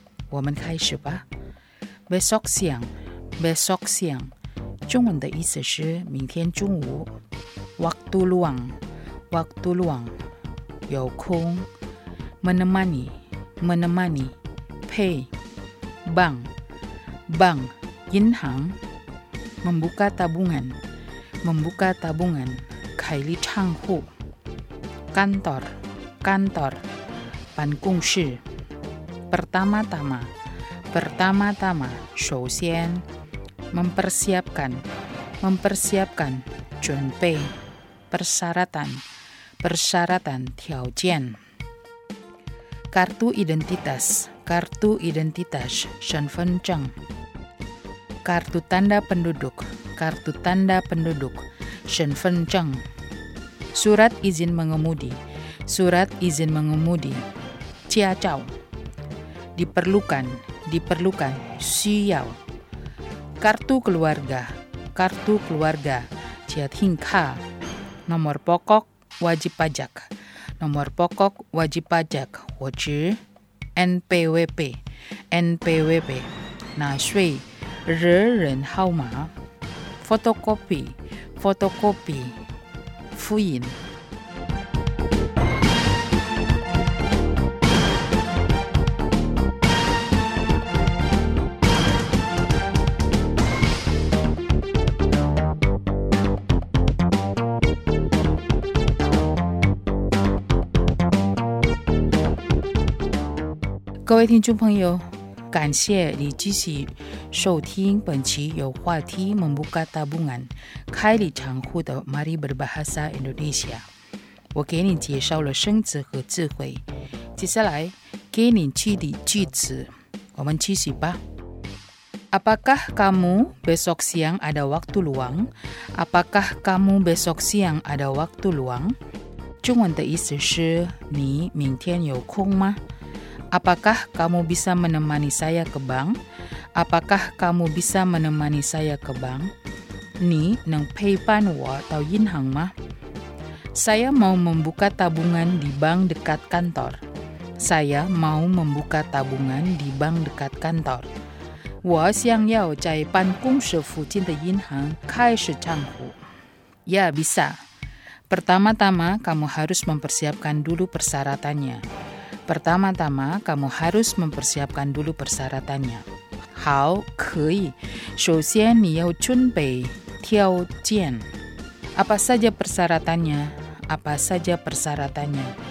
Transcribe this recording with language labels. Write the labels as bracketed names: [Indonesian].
[Chinese] 我们开始吧。 [Indonesian] Besok siang， Besok siang [Chinese] 中文的意思是明天中午。 [Indonesian] Waktu luang，Waktu luang， [Chinese] 有空。 [Indonesian] Menemani， Menemani， [Chinese] 配。 [Indonesian] Bank， Bank， [Chinese] 银行。 [Indonesian] Membuka tabungan， Membuka tabungan， [Chinese] 开立账户。 [Indonesian] Kantor， Kantor， [Chinese] 办公室。 [Indonesian] Pertama-tama， Pertama-tama， [Chinese] 首先。 [Indonesian] Mempersiapkan， Mempersiapkan， [Chinese] 准备。 [Indonesian] PersyaratanPersyaratan， [Chinese] 条件。 [Indonesian] Kartu identitas， Kartu identitas， [Chinese] 身份证。 [Indonesian] Kartu tanda penduduk， Kartu tanda penduduk， [Chinese] 身份证。 [Indonesian] Surat izin mengemudi， Surat izin mengemudi， [Chinese] 驾照。 [Indonesian] Diperlukan， Diperlukan， [Chinese] 需要。 [Indonesian] Kartu keluarga， Kartu keluarga， [Chinese] 家庭卡。 [Indonesian] Nomor pokokWajib pajak， nomor pokok wajib pajak， [Chinese] 或者 [Indonesian] NPWP， NPWP， [Chinese] 纳税人号码。 [Indonesian] Photocopy， Photocopy， [Chinese] 复印。各位听众朋友，感谢你继续收听本期有话题 [Indonesian] Membuka Tabungan [Chinese] 开立账户的 Mari Berbahasa Indonesia。我给你介绍了生词和智慧，接下来给你具体句子，我们继续吧。 [Indonesian] Apakah kamu besok siang ada waktu luang? Apakah kamu besok siang ada waktu luang? [Chinese] 中文的意思是, 你明天有空吗? [Indonesian] Apakah kamu bisa menemani saya ke bank? Apakah kamu bisa menemani saya ke bank? [Chinese] 你能陪伴我到银行吗? [Indonesian] Saya mau membuka tabungan di bank dekat kantor. Saya mau membuka tabungan di bank dekat kantor. [Chinese] 我想要在办公室附近的银行开始账户. [Indonesian] Ya, bisa. Pertama-tama, kamu harus mempersiapkan dulu persyaratannya. Pertama-tama, kamu harus mempersiapkan dulu persyaratannya. [Chinese] 好, 可以.首先你要准备条件. [Indonesian] Apa saja persyaratannya? Apa saja persyaratannya?